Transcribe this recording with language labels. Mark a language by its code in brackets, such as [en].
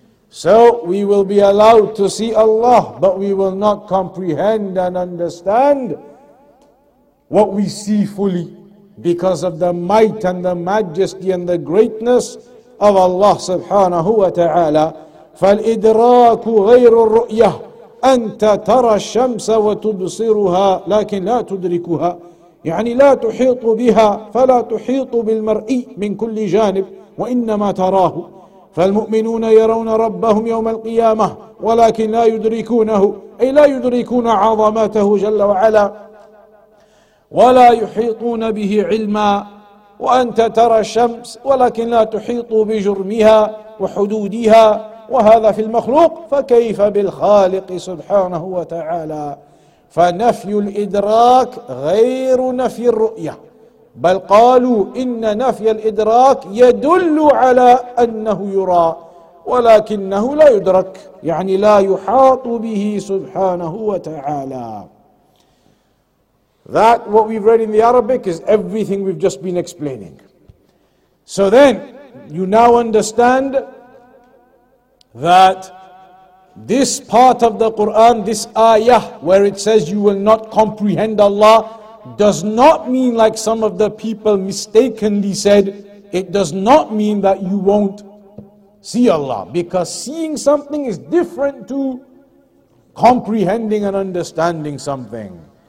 [en] So we will be allowed to see Allah, but we will not comprehend and understand what we see fully, because of the might and the majesty and the greatness of Allah subhanahu wa ta'ala. [ar] فالإدراك غير الرؤية أنت ترى الشمس وتبصرها لكن لا تدركها يعني لا تحيط بها فلا تحيط بالمرئي من كل جانب وإنما تراه فالمؤمنون يرون ربهم يوم القيامة ولكن لا يدركونه أي لا يدركون عظمته جل وعلا ولا يحيطون به علما وأنت ترى الشمس ولكن لا تحيط بجرمها وحدودها وهذا في المخلوق فكيف بالخالق سبحانه وتعالى فنفي الإدراك غير نفي الرؤية بل قالوا إن نفي الإدراك يدل على أنه يرى ولكنه لا يدرك يعني لا يحاط به سبحانه وتعالى. [en] That what we've read in the Arabic is everything we've just been explaining. So then you now understand that this part of the Quran, this ayah where it says you will not comprehend Allah, does not mean like some of the people mistakenly said, it does not mean that you won't see Allah, because seeing something is different to comprehending and understanding something.